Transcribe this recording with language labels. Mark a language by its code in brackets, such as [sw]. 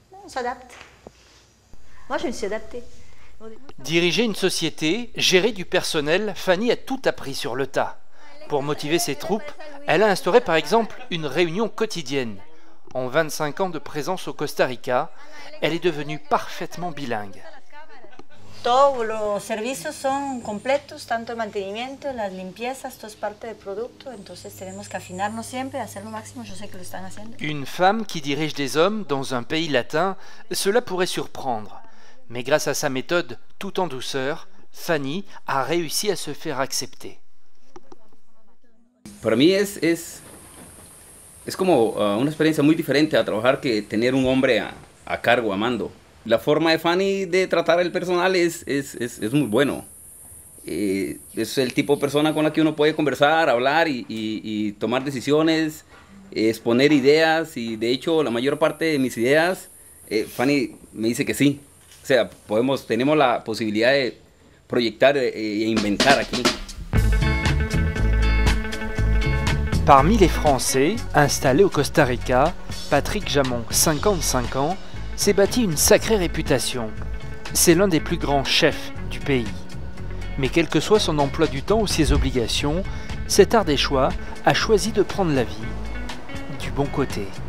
[fr] On s'adapte. Moi, je me suis adaptée. Diriger une société, gérer du personnel, Fanny a tout appris sur le tas. Pour motiver ses troupes, elle a instauré par exemple une réunion quotidienne. En 25 ans de présence au Costa Rica, elle est devenue parfaitement bilingue. [es] Todos los servicios son completos, tanto el mantenimiento, las limpiezas, todo es parte del producto, entonces tenemos que afinarnos siempre, hacer lo máximo, yo sé que lo están haciendo. [fr] Une femme qui dirige des hommes dans un pays latin, cela pourrait surprendre. Mais grâce à sa méthode, tout en douceur, Fanny a réussi à se faire accepter. Pour moi, [es] es como una experiencia muy diferente a trabajar que tener un hombre a cargo, a mando. La forma de Fanny de tratar el personal es muy bueno. Es el tipo de persona con la que uno puede conversar, hablar y tomar decisiones, exponer ideas. Y de hecho, la mayor parte de mis ideas, Fanny me dice que sí. O sea, tenemos la posibilidad de proyectar e inventar aquí. [fr] Parmi les Français installés au Costa Rica, Patrick Jamon, 55 ans, s'est bâti une sacrée réputation. C'est l'un des plus grands chefs du pays. Mais quel que soit son emploi du temps ou ses obligations, cet Ardéchois a choisi de prendre la vie du bon côté.